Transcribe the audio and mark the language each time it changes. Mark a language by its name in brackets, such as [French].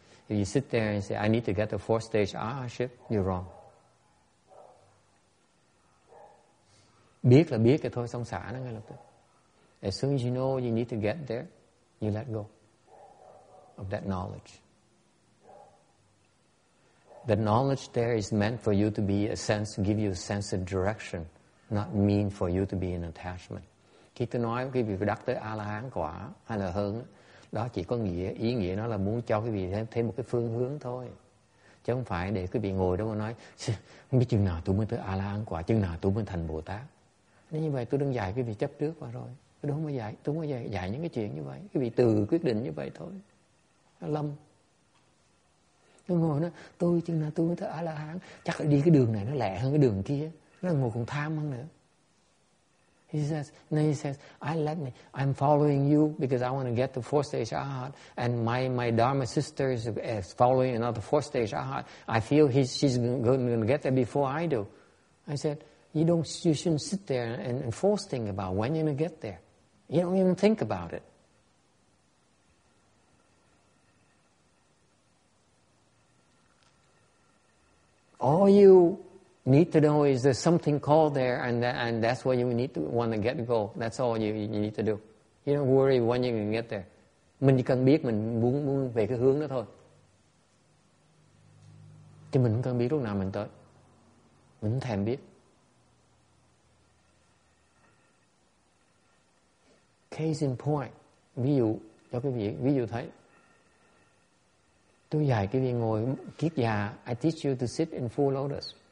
[English] If you sit there and say, I need to get the 4th stage ahaship, you're wrong. [Vietnamese] Biết là biết thôi, xong xả nó ngay lập tức. [English] As soon as you know you need to get there, you let go of that knowledge. The knowledge there is meant for you to be a sense, give you a sense of direction, not mean for you to be an attachment. [Vietnamese] Khi tôi nói cái việc đắc tới A-la-hán quả hay là hơn, đó chỉ có nghĩa, ý nghĩa nó là muốn cho cái vị thêm một cái phương hướng thôi. Chứ không phải để quý vị ngồi đó mà nói không biết chừng nào tôi mới tới A-la-hán quả, chừng nào tôi mới thành Bồ-Tát. Nên như vậy tôi đang dạy quý vị chấp trước qua rồi. Tôi không có dạy, tôi không có dạy, dạy những cái chuyện như vậy. Quý vị tự quyết định như vậy thôi. Lâm. Tôi ngồi nói, tôi chừng nào tôi mới tới A-la-hán. Chắc là đi cái đường này nó lẹ hơn cái đường kia. Nó ngồi còn tham hơn nữa. [English] He says, no, he says, I let me, I'm following you because I want to get to four stage arahat. And my Dharma sister is following another four stage arahat. I feel she's going to get there before I do. I said, you shouldn't sit there and force think about when you're going to get there. You don't even think about it. All you need to know is there's something called there and that's what you need to want to get to go. That's all you need to do. You don't worry when you're going to get there. [Vietnamese] Mình chỉ cần biết mình muốn về cái hướng đó thôi. Chứ mình không cần biết lúc nào mình tới. Mình thèm biết. [English] Case in point. [Vietnamese] Ví dụ cho quý vị, ví dụ thấy. Tôi dạy quý vị ngồi kiết già. [English] I teach you to sit in full lotus.